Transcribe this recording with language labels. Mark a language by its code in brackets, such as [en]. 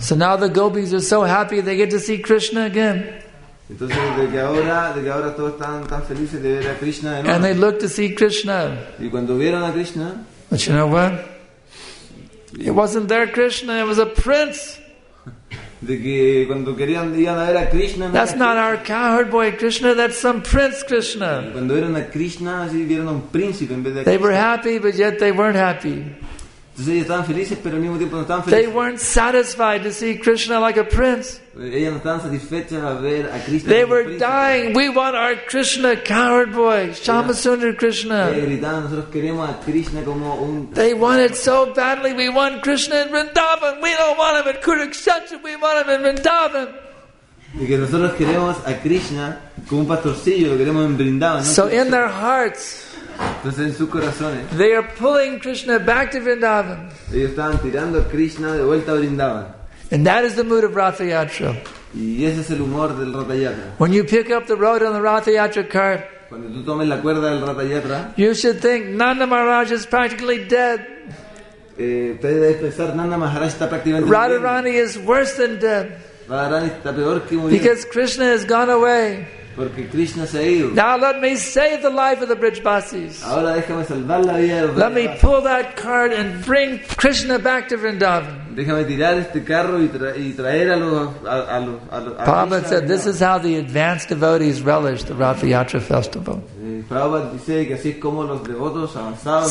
[en] So now the gopis are so happy they get to see Krishna again. [es] Entonces de que ahora todos están tan felices de ver a Krishna de nuevo. [en] And they look to see Krishna. [es] Y cuando vieron a Krishna, [en] but you know what? It wasn't their Krishna, it was a prince. [es] De que cuando querían iban a ver a Krishna. [en] That's not our cowherd boy Krishna, that's some prince Krishna. [es] Cuando vieron a Krishna, sí vieron a un príncipe en vez de [en] Krishna. They were happy, but yet they weren't happy. [es] Entonces ellos estaban felices, pero al mismo tiempo no estaban felices. [en] They weren't satisfied to see Krishna like a prince. [es] Ellos no estaban satisfechos a ver a Krishna. [en] They were dying. We want our Krishna, coward boy, Shyamasundara Krishna. [es] Nosotros queremos a Krishna como un. [en] They want it so badly. We want Krishna in Vrindavan. We don't want him in Kurukshetra. We want him in Vrindavan. [es] Y que nosotros queremos a Krishna como un pastorcillo. Lo queremos en Vrindavan. [en] So in their hearts. [es] Entonces, en sus corazones, [en] they are pulling Krishna back to Vrindavan. [es] Ellos estaban tirando a Krishna de vuelta a Vrindavan. [en] And that is the mood of Ratha Yatra. [es] Y ese es el humor del Ratha Yatra. [en] When you pick up the road on the Ratha Yatra cart, [es] cuando tú tomes la cuerda del Ratha Yatra, [en] you should think Nanda Maharaj is practically dead. [es] Puedes pensar, Nanda Maharaj está prácticamente [en] Radharani [es] bien. [en] Is worse than dead. [es] Radharani está peor que muriendo. [en] Because Krishna has gone away. [es] Porque Krishna se ha ido. [en] Now let me save the life of the Brijbasis. [es] Ahora déjame salvar la vida de los [en] Let me pull that cart and bring Krishna back to Vrindavan. [es] Déjame tirar este carro y traer a los a [en] Prabhupada Krishna said, "This is how the advanced devotees relish the Ratha Yatra festival." [es] Prabhupada dice que así es como los devotos avanzados.